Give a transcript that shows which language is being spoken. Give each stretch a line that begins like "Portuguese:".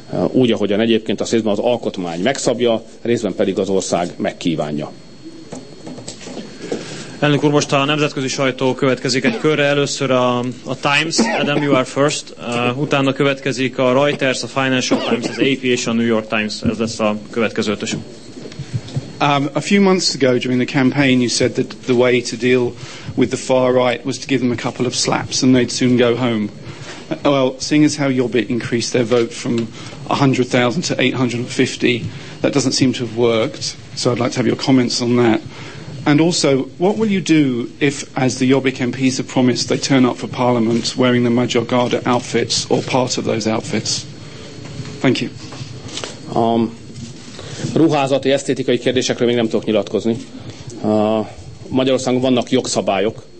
Hungarian: Úgy, ahogyan egyébként a részben az alkotmány megszabja, részben pedig az ország megkívánja. Elnök úr, most a nemzetközi sajtó következik egy körre. Először a Times, Adam,
English: you are first.
Hungarian: Utána következik a Reuters, a Financial Times, az AP és a New York Times. Ez lesz a következő ötös.
English: A few months ago during the campaign you said that the way to deal with the far right was to give them a couple of slaps and they'd soon go home. Well, seeing as how your bit increased their vote from 100,000 to 850, that doesn't seem to have worked, so I'd like to have your comments on that. And also, what will you do if, as the Jobbik MPs have promised, they turn up for Parliament wearing the Magyar Garda outfits or part of those outfits? Thank you.
Hungarian: Ruházati, esztétikai kérdésekről még nem tudok nyilatkozni. Magyarországon vannak jogszabályok.